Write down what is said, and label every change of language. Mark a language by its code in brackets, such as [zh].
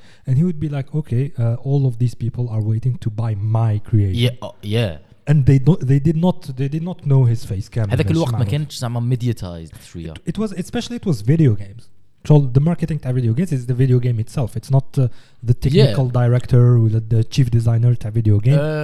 [en] And he would be like, okay, all of these people are waiting to buy my creation. Yeah. And they did not know his face cam. [ar] هذاك الوقت ما كانش زعما mediatized شوية. [en] It was especially it was video games. So the marketing تاع video games is the video game itself. It's not the technical director or the chief designer تاع video game.